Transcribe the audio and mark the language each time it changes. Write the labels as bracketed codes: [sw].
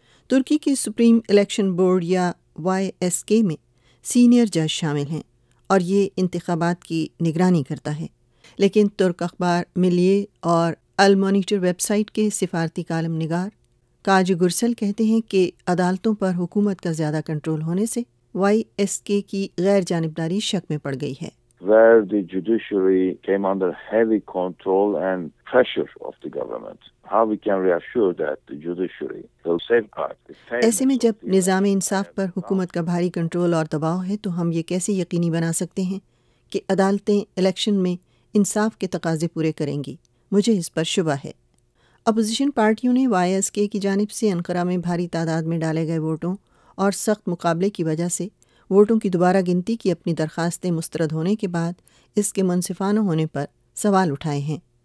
[ur] ترکی کے supreme election board یا Y S کے میں سینئر جج شامل ہیں اور یہ انتخابات کی نگرانی کرتا ہے، لیکن ترک اخبار ملیے اور المونیٹر ویب سائٹ کے سفارتی کالم نگار کاج گرسل کہتے ہیں کہ عدالتوں پر حکومت کا زیادہ کنٹرول ہونے سے وائی ایس کے کی غیر جانبداری شک میں پڑ گئی ہے۔ [en] Where the judiciary came under heavy control and pressure of the government. How we can reassure that the judiciary will safeguard the fairness. [ur] ایسے میں جب نظام انصاف پر حکومت کا بھاری کنٹرول اور دباؤ ہے تو ہم یہ کیسے یقینی بنا سکتے ہیں کہ عدالتیں الیکشن میں انصاف کے تقاضے پورے کریں گی؟ مجھے اس پر شبہ ہے۔ اپوزیشن پارٹیوں نے وائی ایس کے کی جانب سے انقرہ میں بھاری تعداد میں ڈالے گئے ووٹوں اور سخت مقابلے کی وجہ سے ووٹوں کی دوبارہ گنتی کی اپنی درخواستیں مسترد ہونے کے بعد اس کے منصفانہ ہونے پر سوال اٹھائے ہیں۔